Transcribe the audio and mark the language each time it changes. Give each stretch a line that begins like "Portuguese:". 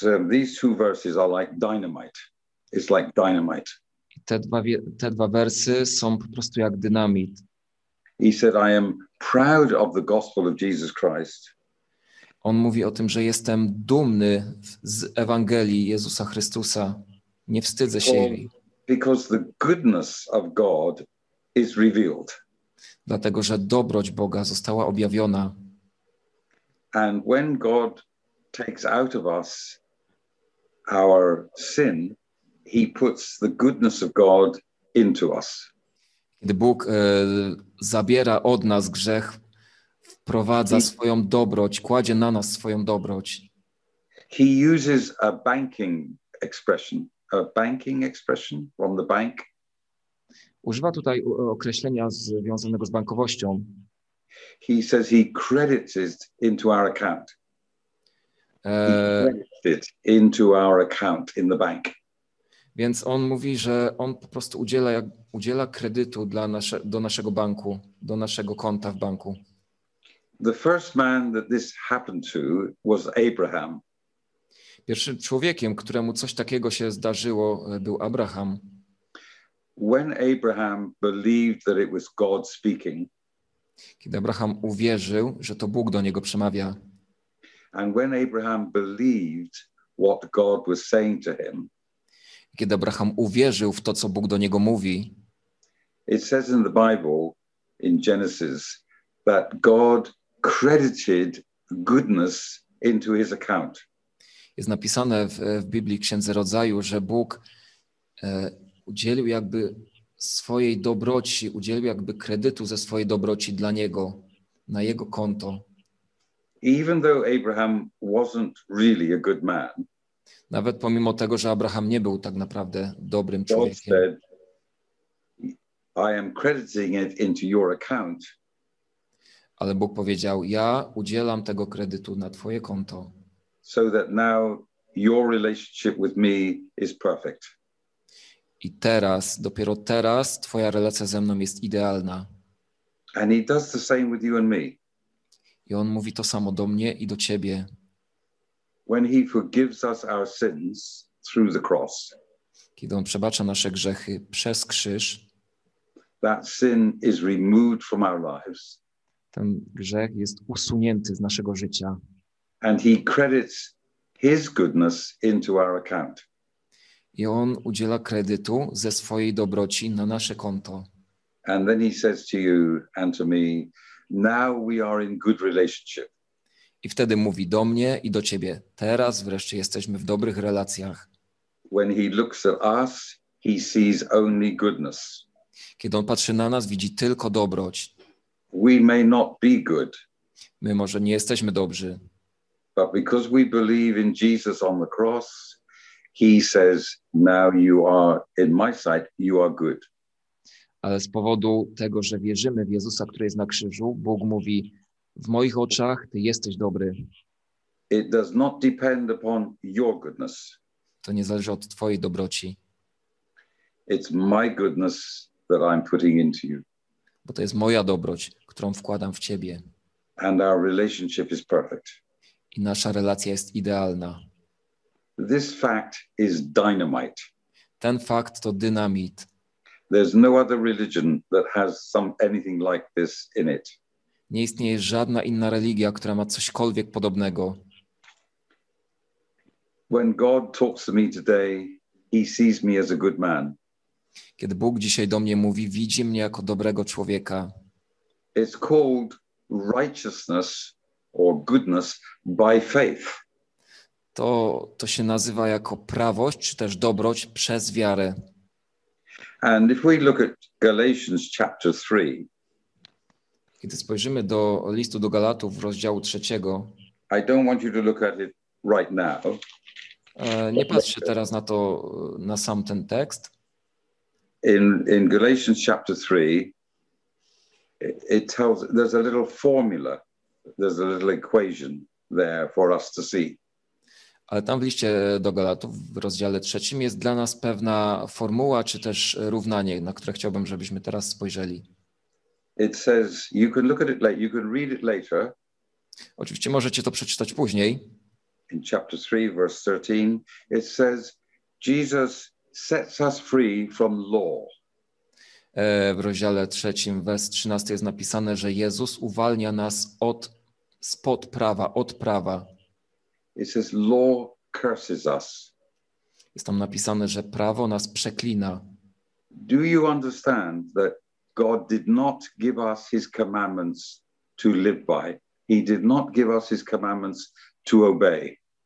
English: These two verses are like dynamite. It's like dynamite.
Polish: Te dwa wersy są po prostu jak dynamit.
English: He said, I am proud of the gospel of Jesus Christ.
Polish: On mówi o tym, że jestem dumny z Ewangelii Jezusa Chrystusa. Nie wstydzę się jej.
English: Because the goodness of God is revealed.
Polish: Dlatego, że dobroć Boga została objawiona.
English: And when God takes out of us our sin, he puts the goodness of God into us.
Polish: Kiedy Bóg zabiera od nas grzech, wprowadza swoją dobroć, kładzie na nas swoją dobroć.
English: He uses a banking expression. A banking expression from the bank.
Polish: Używa tutaj określenia związanego z bankowością.
English: He says he credits it into our account. He credits it into our account in the bank.
Polish: Więc on mówi, że on po prostu udziela kredytu do naszego banku, do naszego konta w banku.
English: The first man that this happened to was Abraham.
Polish: Pierwszym człowiekiem, któremu coś takiego się zdarzyło, był Abraham.
English: When Abraham believed that it was God speaking.
Polish: Kiedy Abraham uwierzył, że to Bóg do niego przemawia.
English: And when Abraham believed what God was saying to him.
Polish: Kiedy Abraham uwierzył w to, co Bóg do niego mówi.
English: It says in the Bible in Genesis that God credited goodness into his account.
Polish: Jest napisane w Biblii Księdze Rodzaju, że Bóg udzielił jakby swojej dobroci, udzielił jakby kredytu ze swojej dobroci dla niego, na jego konto.
English: Even though Abraham wasn't really a good man.
Polish: Nawet pomimo tego, że Abraham nie był tak naprawdę dobrym
English: God
Polish: człowiekiem.
English: Said, I am crediting it into your account.
Polish: Ale Bóg powiedział, ja udzielam tego kredytu na twoje konto.
English: So that now your relationship with me is perfect.
Polish: I teraz, dopiero teraz, twoja relacja ze mną jest idealna.
English: And he does the same with you and me.
Polish: I on mówi to samo do mnie i do ciebie.
English: When he forgives us our sins through the cross.
Polish: Kiedy on przebacza nasze grzechy przez krzyż.
English: That sin is removed from our lives.
Polish: Ten grzech jest usunięty z naszego życia.
English: And he credits his goodness into our account.
Polish: I on udziela kredytu ze swojej dobroci na nasze konto.
English: And then he says to you and to me, now we are in good relationship.
Polish: I wtedy mówi do mnie i do ciebie, teraz wreszcie jesteśmy w dobrych relacjach.
English: When he looks at us, he sees only goodness.
Polish: Kiedy on patrzy na nas, widzi tylko dobroć.
English: We may not be good.
Polish: My może nie jesteśmy dobrzy.
English: But because we believe in Jesus on the cross, he says, now you are, in my sight, you are good.
Polish: Ale z powodu tego, że wierzymy w Jezusa, który jest na krzyżu, Bóg mówi, w moich oczach ty jesteś dobry.
English: It does not depend upon your goodness.
Polish: To nie zależy od twojej dobroci.
English: It's my goodness that I'm putting into you.
Polish: Bo to jest moja dobroć, którą wkładam w ciebie.
English: And our relationship is perfect.
Polish: I nasza relacja jest idealna.
English: This fact is dynamite.
Polish: Ten fakt to dynamit.
English: There's no other religion that has anything like this in it.
Polish: Nie istnieje żadna inna religia, która ma cośkolwiek podobnego.
English: When God talks to me today, he sees me as a good man.
Polish: Kiedy Bóg dzisiaj do mnie mówi, widzi mnie jako dobrego człowieka.
English: It's called righteousness or goodness by faith.
Polish: To się nazywa jako prawość czy też dobroć przez wiarę.
English: And if we look at Galatians chapter 3.
Polish: Kiedy spojrzymy do listu do Galatów, rozdziału trzeciego.
English: I don't want you to look at it right now.
Polish: Nie patrzcie teraz na to, na sam ten tekst.
English: In Galatians chapter 3 it tells there's a little formula. There's a little equation there for us to see.
Polish: Ale tam w liście do Galatów w rozdziale trzecim jest dla nas pewna formuła czy też równanie, na które chciałbym, żebyśmy teraz spojrzeli.
English: It says you can look at it later, you can read it later.
Polish: Oczywiście możecie to przeczytać później.
English: In chapter 3 verse 13 it says Jesus sets us free from law.
Polish: W rozdziale trzecim, wers 13 jest napisane, że Jezus uwalnia nas spod prawa, od prawa.
English: It says, law curses us.
Polish: Jest tam napisane, że prawo nas przeklina.
English: Do you understand that God did not give us his commandments to live by? He did not give us his commandments to obey.